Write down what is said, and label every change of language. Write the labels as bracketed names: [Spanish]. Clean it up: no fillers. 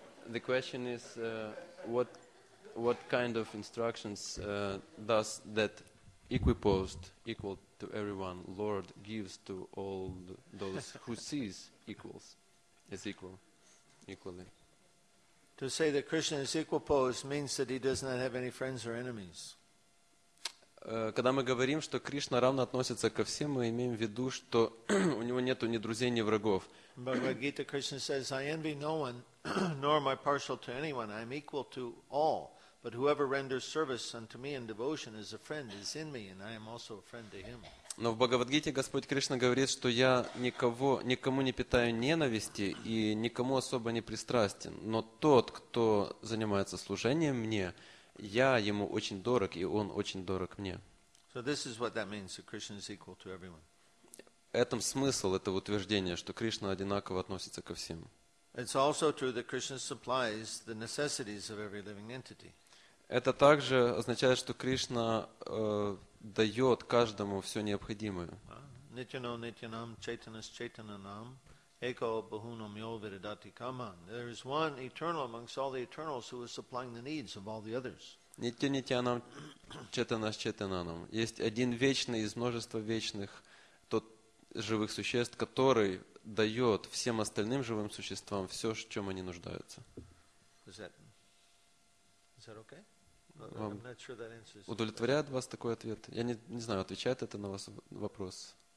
[English] The question is what kind of instructions does that equipoised, equal to everyone, Lord gives to all those who sees equals, as equal, equally. To say that Krishna is equipoised means that he does not have any friends or enemies. [Russian] Когда мы говорим, что Кришна равно относится ко всем, мы имеем в виду, что у него нету ни друзей, ни врагов. [English] Bhagavad Gita Krishna says, I envy no one, nor am I partial to anyone. I am equal to all. But whoever renders service unto me in devotion is a friend, is in me, and I am also a friend to him. [Russian] Но в Бхагавадгите Господь Кришна говорит, что я никого, никому не питаю ненависти и никому особо не пристрастен. Но тот, кто занимается служением мне, я ему очень дорог, и он очень дорог мне. [English] So this is what that means, that Krishna is equal to everyone. [Russian] В этом смысл этого утверждения, что Кришна одинаково относится ко всем. [English] It's also true that Krishna supplies the necessities of every living entity. [Russian] Это также означает, что Кришна дает каждому все необходимое. [Sanskrit] Nityano nityanam chaitanas chaitananam eko bahunam yo viridati kaman. [English] There is one eternal amongst all the eternals who is supplying the needs of all the others. [Sanskrit] Nitya nityanam chaitanas chaitananam. [Russian] Есть один вечный из множества вечных, тот живых существ, который дает всем остальным живым существам все, в чем они нуждаются. [English] Is that okay? I'm not sure that answers. [Russian] Удовлетворяет вас такой ответ? Я не знаю, отвечает это на вас вопрос.